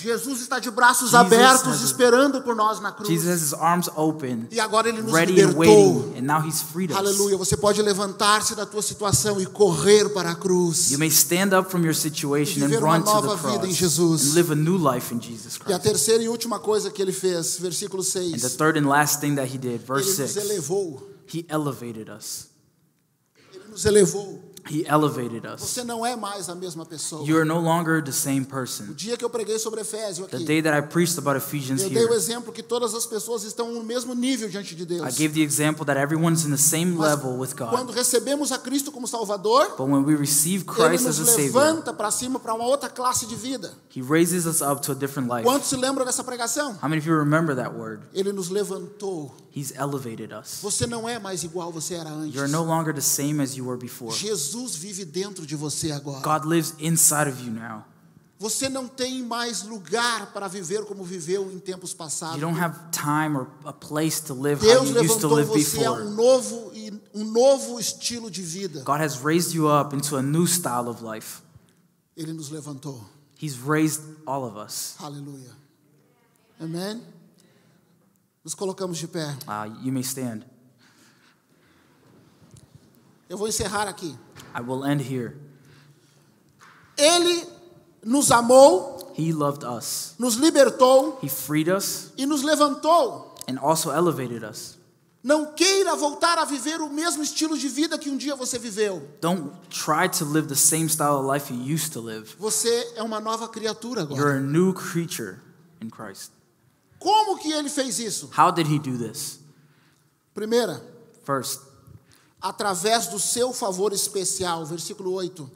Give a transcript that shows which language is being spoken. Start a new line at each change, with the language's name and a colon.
Portuguese: Jesus está de braços Jesus abertos esperando por nós na cruz.
English: Jesus has his arms open.
Portuguese: E agora ele nos
English: ready
Portuguese: libertou.
English: And waiting, and now he's freed us.
Portuguese: Aleluia, você pode levantar-se da tua situação e correr para a cruz.
English: You may stand up from your situation and run to the cross.
Portuguese: Em Jesus.
English: And live a new life in Jesus Christ.
Portuguese: E a terceira e última coisa que ele fez, versículo 6.
English: And the third and last thing that he did, verse 6.
Portuguese: Ele nos elevou.
English: He elevated us.
Portuguese: Ele nos elevou.
English: He elevated us.
Portuguese: Você não é mais a mesma pessoa.
English: You are no longer the same person.
Portuguese: O dia que eu preguei sobre Efésio aqui.
English: The day that I preached about Ephesians here.
Portuguese: Eu dei o exemplo que todas as pessoas estão no mesmo nível diante de Deus.
English: I gave the example that everyone's in the same
Portuguese: Mas
English: level with God.
Portuguese: Quando recebemos a Cristo como Salvador,
English: but when we receive Christ as a Savior,
Portuguese: ele nos levanta para cima para uma outra classe de vida.
English: He raises us up to a different life.
Portuguese: Quantos se lembram dessa pregação?
English: How many of you remember that word?
Portuguese: Ele nos levantou.
English: He's elevated us.
Portuguese: Você não é mais igual você era antes.
English: You're no longer the same as you were before.
Portuguese: Jesus vive dentro de você agora.
English: God lives inside of you now.
Portuguese: Você não tem mais lugar para viver como viveu em tempos passados.
English: You don't have time or a place to live
Portuguese: Deus
English: how you used to live before.
Portuguese: Deus levantou você a um novo estilo de vida.
English: God has raised you up into a new style of life.
Portuguese: Ele nos levantou.
English: He's raised all of us.
Portuguese: Hallelujah. Amen. Nos colocamos de pé.
English: You may stand.
Portuguese: Eu vou encerrar aqui.
English: I will end here.
Portuguese: Ele nos amou.
English: He loved us.
Portuguese: Nos libertou.
English: He freed us.
Portuguese: E nos levantou.
English: And also elevated us.
Portuguese: Não queira voltar a viver o mesmo estilo de vida que um dia você viveu.
English: Don't try to live the same style of life you used to live.
Portuguese: Você é uma nova criatura agora.
English: You're a new creature in Christ.
Portuguese: Como que ele fez isso?
English: How did he do this?
Portuguese: Primeira.
English: First.
Portuguese: Através do seu favor especial, versículo 8.